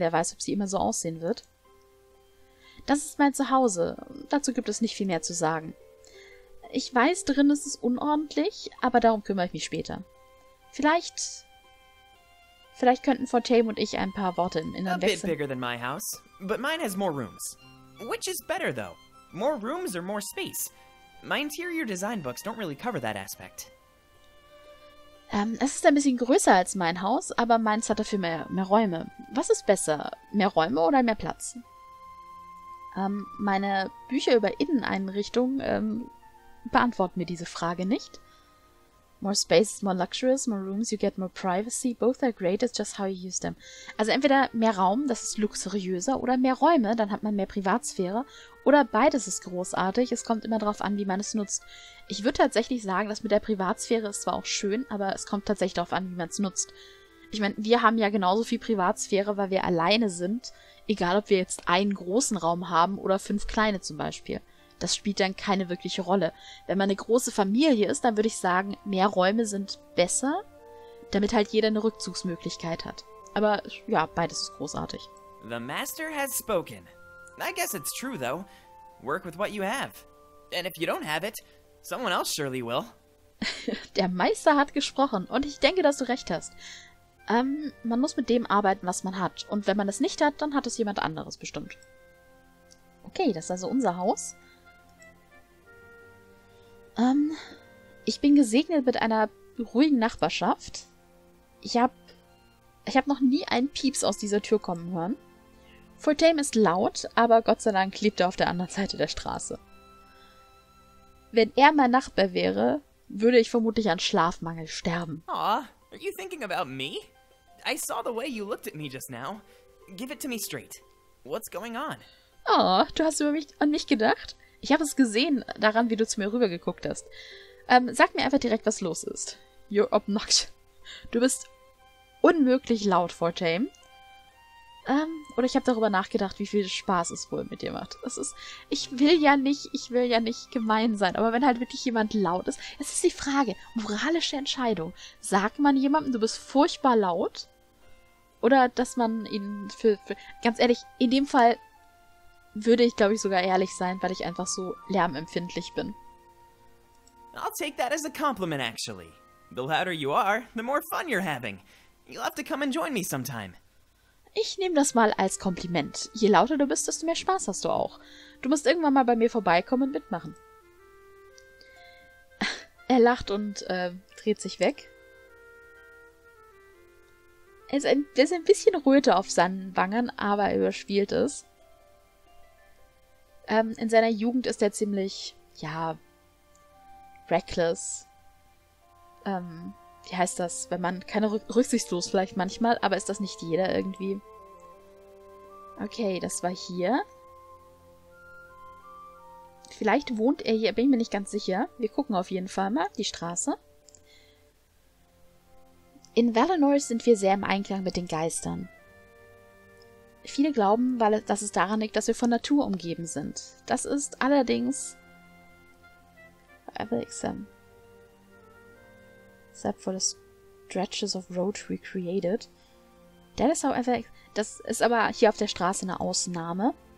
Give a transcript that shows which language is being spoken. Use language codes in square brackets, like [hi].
[de] Wer weiß, ob sie immer so aussehen wird. Das ist mein Zuhause. Dazu gibt es nicht viel mehr zu sagen. Ich weiß, drin ist es unordentlich, aber darum kümmere ich mich später. Vielleicht könnten Fontaine und ich ein paar Worte im Inneren wechseln. [en] A bit bigger than my house, but mine has more rooms. Which is better, though? More rooms or more space? My interior design books don't really cover that aspect. [de] Es ist ein bisschen größer als mein Haus, aber meins hat dafür mehr Räume. Was ist besser, mehr Räume oder mehr Platz? Meine Bücher über Inneneinrichtung beantworten mir diese Frage nicht. [en] More space is more luxurious, more rooms you get more privacy, both are great, it's just how you use them. [de] Also entweder mehr Raum, das ist luxuriöser, oder mehr Räume, dann hat man mehr Privatsphäre. Oder beides ist großartig, es kommt immer darauf an, wie man es nutzt. Ich würde tatsächlich sagen, das mit der Privatsphäre ist zwar auch schön, aber es kommt tatsächlich darauf an, wie man es nutzt. Ich meine, wir haben ja genauso viel Privatsphäre, weil wir alleine sind. Egal, ob wir jetzt einen großen Raum haben oder fünf kleine zum Beispiel. Das spielt dann keine wirkliche Rolle. Wenn man eine große Familie ist, dann würde ich sagen, mehr Räume sind besser, damit halt jeder eine Rückzugsmöglichkeit hat. Aber ja, beides ist großartig. [en] The Master has spoken. I guess it's true, though. Work with what you have. And if you don't have it, someone else surely will. [de] Der Meister hat gesprochen und ich denke, dass du recht hast. Man muss mit dem arbeiten, was man hat. Und wenn man es nicht hat, dann hat es jemand anderes bestimmt. Okay, das ist also unser Haus. Ich bin gesegnet mit einer ruhigen Nachbarschaft. Ich hab noch nie einen Pieps aus dieser Tür kommen hören. Fulltame ist laut, aber Gott sei Dank lebt er auf der anderen Seite der Straße. Wenn er mein Nachbar wäre, würde ich vermutlich an Schlafmangel sterben. [en] Aw, are you thinking about me? I saw the way you looked at me just now. Give it to me straight. What's going on? [de] Oh, du hast an mich gedacht? Ich habe es gesehen, daran, wie du zu mir rübergeguckt hast. Sag mir einfach direkt, was los ist. [en] You're obnoxious. [de] Du bist unmöglich laut, Fortame. Oder ich habe darüber nachgedacht, wie viel Spaß es wohl mit dir macht. Ich will ja nicht gemein sein, aber wenn halt wirklich jemand laut ist, es ist die Frage, moralische Entscheidung. Sagt man jemandem, du bist furchtbar laut? Oder dass man ihn für ganz ehrlich, in dem Fall würde ich, glaube ich, sogar ehrlich sein, weil ich einfach so lärmempfindlich bin. [en] I'll take that as a compliment, actually. The louder you are, the more fun you're having. You'll have to come and join me sometime. [de] Ich nehme das mal als Kompliment. Je lauter du bist, desto mehr Spaß hast du auch. Du musst irgendwann mal bei mir vorbeikommen und mitmachen. Er lacht und dreht sich weg. Er ist ein bisschen Röte auf seinen Wangen, aber er überspielt es. In seiner Jugend ist er ziemlich, ja, reckless. Wie heißt das, wenn man keine rücksichtslos vielleicht manchmal, aber ist das nicht jeder irgendwie? Okay, das war hier. Vielleicht wohnt er hier, bin ich mir nicht ganz sicher. Wir gucken auf jeden Fall mal die Straße. In Valinor sind wir sehr im Einklang mit den Geistern. Viele glauben, dass es daran liegt, dass wir von Natur umgeben sind. Das ist allerdings... [en] Except for the stretches of road we created. That is however... [de] Das ist aber hier auf der Straße eine Ausnahme.